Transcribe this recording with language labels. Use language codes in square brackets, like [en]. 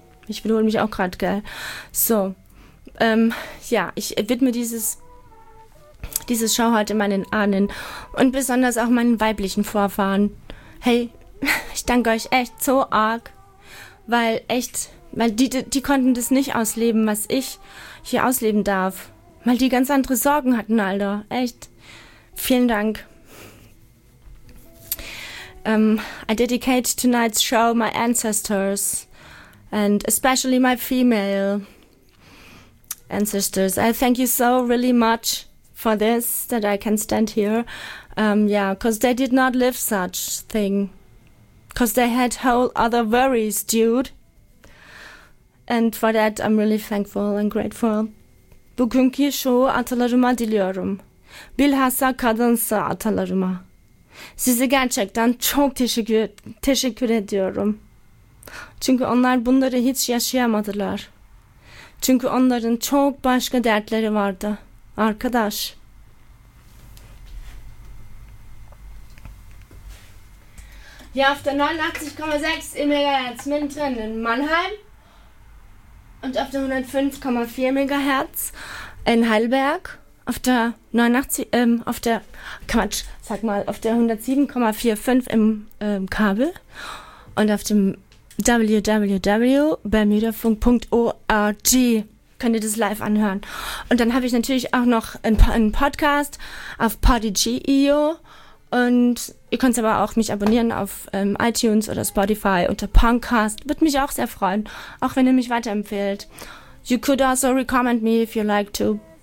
[de] Ich wiederhole mich auch gerade, gell? So, ich widme dieses Show heute meinen Ahnen und besonders auch meinen weiblichen Vorfahren. Hey, ich danke euch echt so arg, weil die konnten das nicht ausleben, was ich hier ausleben darf. Weil die ganz andere Sorgen hatten, Alter. Echt. Vielen Dank. [en] I dedicate tonight's show my ancestors. And especially my female ancestors. I thank you so really much for this, that I can stand here. Because they did not live such thing. Because they had whole other worries, dude. And for that, I'm really thankful and grateful. [tr] Bugünkü show atalarıma diliyorum. Bilhassa kadınsa atalarıma. Size gerçekten çok teşekkür ediyorum. Çünkü onlar bunları hiç yaşayamadılar. Çünkü onların çok başka dertleri vardı. Arkadaş. [de] Ja, auf der 89,6 im Megahertz mittendrin in Mannheim. Und auf der 105,4 Megahertz in Heidelberg, auf der 107,45 im Kabel und auf dem www.bermudafunk.org könnt ihr das live anhören. Und dann habe ich natürlich auch noch einen Podcast auf Podigee.io und ihr könnt aber auch mich abonnieren auf iTunes oder Spotify unter Punkcast. Würde mich auch sehr freuen, auch wenn ihr mich weiterempfehlt. [en] You could also recommend me if you like to.